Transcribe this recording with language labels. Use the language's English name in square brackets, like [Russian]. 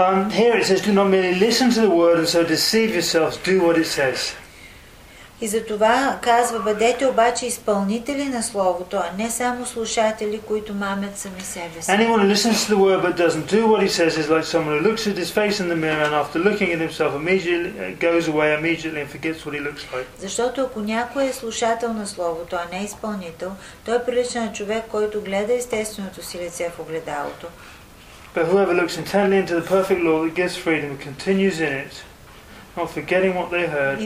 [English] Here it says, do not merely listen to the word and so deceive yourselves. Do what it says. [Bulgarian] И затова казва, бъдете обаче изпълнители на Словото, а не само слушатели, които мамят сами себе си. [English] Anyone who listens to the word but doesn't do what he says is like someone who looks at his face in the mirror and after looking at himself immediately goes away immediately and forgets what he looks like. [Bulgarian] Защото ако някой е слушател на Словото, а не изпълнител, той е прилича на човек, който гледа естественото си лице в огледалото. [English] But whoever looks intently into the perfect law that gives freedom and continues in it, not forgetting what they heard,